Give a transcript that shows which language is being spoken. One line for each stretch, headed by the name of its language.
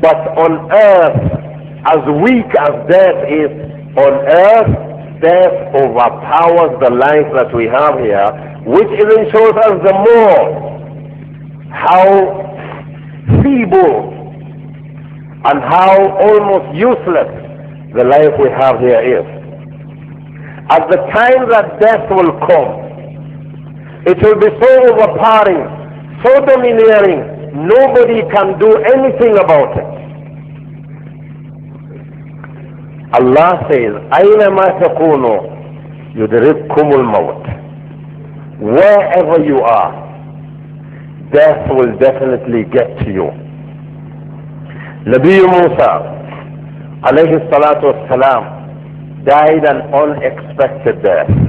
English: But on earth, as weak as death is, on earth, death overpowers the life that we have here, which even shows us the more how feeble and how almost useless the life we have here is. At the time that death will come, it will be so overpowering, so domineering, nobody can do anything about it. Allah says,
Arabic: أَيْنَمَا تَكُونُوا يُدْرِبْكُمُ الْمَوْتِ.
English: Wherever you are, death will definitely get to you. Nabi Musa alayhi salatu wasalam died an unexpected death.